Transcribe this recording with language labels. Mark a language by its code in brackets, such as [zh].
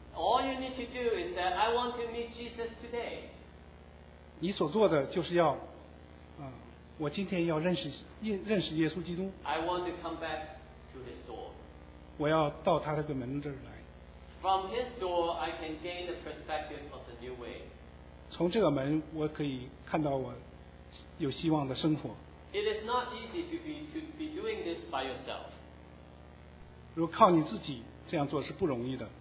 [en] All you need to do is that I want to meet Jesus today [zh] 你所做的就是要、我今天要认识耶稣基督 [en] I want to come back to his door. [zh] 我要到他的门这儿来 [en] From his door, I can gain the perspective of the new way. [zh] 从这个门我可以看到我有希望的生活 [en] It is not easy to be doing this by yourself. [zh] 如果靠你自己这样做是不容易的